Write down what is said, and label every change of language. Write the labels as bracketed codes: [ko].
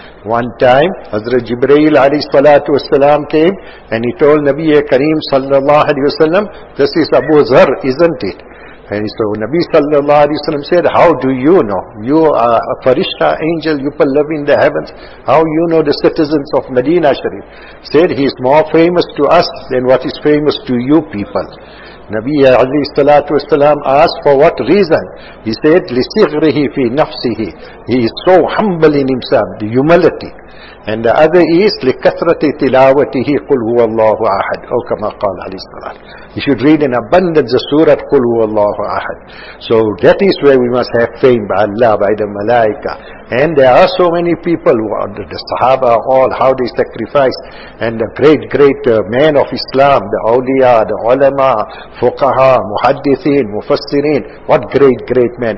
[en] One time, Hazrat Jibreel alayhi salatu wasalam came and he told Nabi Kareem sallallahu alayhi wasalam, this is Abu Zar, isn't it? And so Nabi sallallahu alayhi wa sallam said, how do you know? You are a farishta angel, you live in the heavens. How you know the citizens of Medina Sharif? Said, he is more famous to us than what is famous to you people. Nabi alayhi salatu wasalam asked, for what reason? He said, [ar] لِسِغْرِهِ فِي نَفْسِهِ. [en] He is so humble in himself, the humility. And the other is, [ar] لِكَثْرَةِ تِلَاوَتِهِ قُلْ هُوَ اللَّهُ أَحَدٌ. أو كَمَا قَالَ عَلَيْهِ السَّلَامُ. [en] You should read in abundance the surah, [ar] قُلْ هُوَ اللَّهُ أَحَدٌ. [en] So that is where we must have fame by Allah, by the malaika. And there are so many people who are the sahaba, all how they sacrificed. And the great men of Islam, the awliya, the ulama, fuqaha, muhaddithin, mufassirin, what great men.